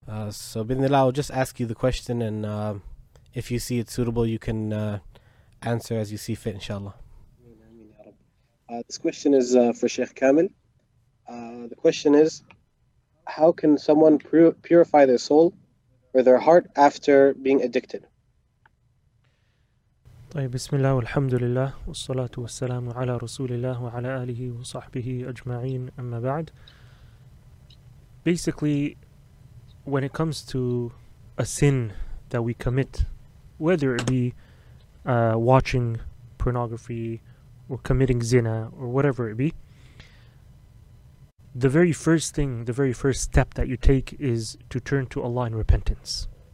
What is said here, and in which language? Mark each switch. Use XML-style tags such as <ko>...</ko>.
<en>So bi-ithnillah, I'll just ask you the question, and if you see it suitable, you can answer as you see fit, inshallah. This question is for Sheikh Kamil. The question is, how can someone purify their soul or their heart after being addicted?</en> <ar>طيب بسم الله والحمد لله والصلاة والسلام على رسول الله وعلى آله وصحبه أجمعين أما بعد.</ar> <en>Basically, when it comes to a sin that we commit, whether it be watching pornography or committing zina or whatever it be, the very first thing, the very first step that you take is to turn to Allah in repentance.</en>